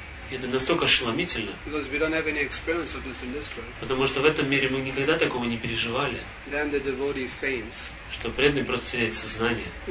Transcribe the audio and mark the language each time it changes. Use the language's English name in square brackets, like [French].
[Russian] Это настолько ошеломительно. [English] Because we don't have any experience of this in this world. [Russian] Потому что в этом мире мы никогда такого не переживали. [English] Then the devotee faints. [Russian] Что преданный просто теряет сознание.